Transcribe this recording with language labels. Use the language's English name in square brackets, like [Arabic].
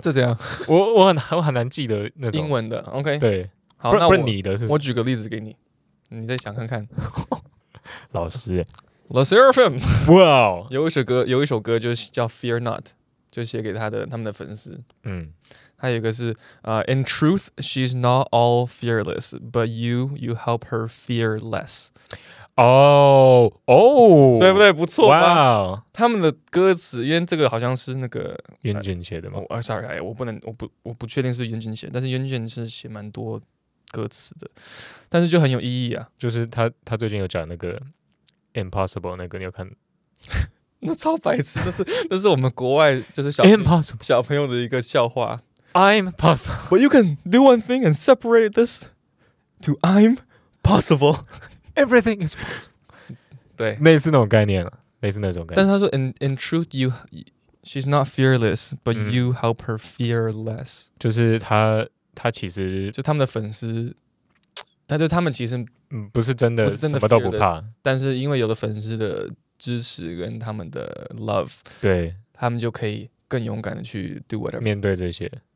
[Chinese] 这怎样？我很难记得那种英文的。OK，对，好，那不是你的是？我举个例子给你，你再想看看。老师，The Seraphim，哇、wow ，有一首歌就是叫《Fear Not》，就写给他们的粉丝。嗯， [English] 还有一个是In truth, she's not all fearless, but you help her fear less. [Chinese] 哦哦，对不对？不错，哇、wow ！他们的歌词，因为这个好像是那个渊卷写的吗？ Sorry， 我不确定是渊卷写，但是渊卷是写蛮多歌词的，但是就很有意义啊。就是他最近有讲那个 Impossible 那个，你有看？那超白痴，那是我们国外就是小朋友的一个笑话。 [English] I'm possible, but you can do one thing and separate this to I'm possible. Everything is possible. [Chinese] 对，类似那种概念了，类似那种概念。但是他说 [English] ，in truth, she's not fearless, but you help her fear less. [Chinese] 就是他其实就他们的粉丝，但是他们其实不是真的，不是真的什么都不怕。但是因为有了粉丝的支持跟他们的 love，对，他们就可以更勇敢的去 [English] do whatever， [Chinese] 面对这些。